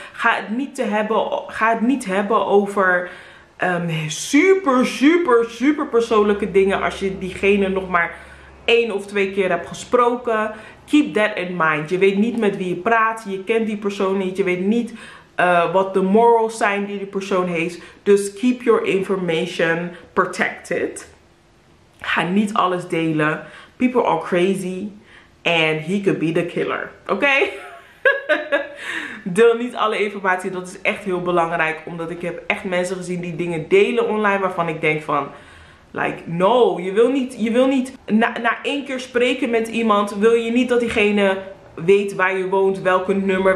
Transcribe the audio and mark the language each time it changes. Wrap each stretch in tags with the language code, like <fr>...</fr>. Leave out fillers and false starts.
<nl>Ga het niet hebben over super, super, super persoonlijke dingen als je diegene nog maar 1 of 2 keer hebt gesproken.</nl> <en>Keep that in mind.</en> <nl>Je weet niet met wie je praat. Je kent die persoon niet. Je weet niet wat de morals zijn die die persoon heeft. Dus</nl> <en>keep your information protected.</en> <nl>Ga niet alles delen.</nl> <en>People are crazy. And he could be the killer.</en> <nl>Oké? Deel niet alle informatie. Dat is echt heel belangrijk. Omdat ik heb echt mensen gezien die dingen delen online. Waarvan ik denk van,</nl> <en>like, no.</en> <nl>Je wil niet na 1 keer spreken met iemand. Wil je niet dat diegene weet waar je woont. Welke nummer.</nl>